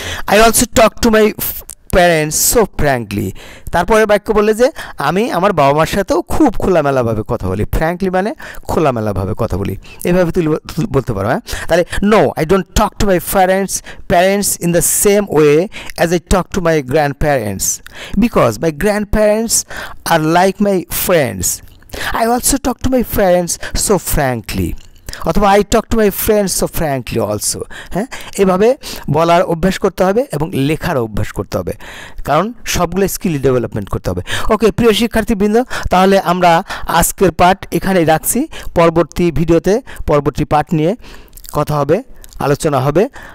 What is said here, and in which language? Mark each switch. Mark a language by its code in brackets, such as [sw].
[en] I also talk to my parents so frankly, [bn] তারপরে বাক্য বলে যে আমি আমার বাবা মার সাথেও খুব খোলামেলাভাবে কথা বলি, ফ্র্যাঙ্কলি মানে খোলামেলাভাবে কথা বলি, এভাবে তুলে বলতে পারো। হ্যাঁ, তাহলে [en] No, I don't talk to my parents parents in the same way as I talk to my grandparents, because my grandparents are like my friends, I also talk to my friends so frankly. [bn] অথবা [en] I talk to my friends so frankly also. [bn] হ্যাঁ, এভাবে বলার অভ্যাস করতে হবে এবং লেখার অভ্যাস করতে হবে, কারণ সবগুলো স্কিল ডেভেলপমেন্ট করতে হবে। ওকে প্রিয় শিক্ষার্থীবৃন্দ, তাহলে আমরা আজকের পাঠ এখানেই রাখছি। পরবর্তী ভিডিওতে পরবর্তী পাঠ নিয়ে কথা হবে, আলোচনা হবে।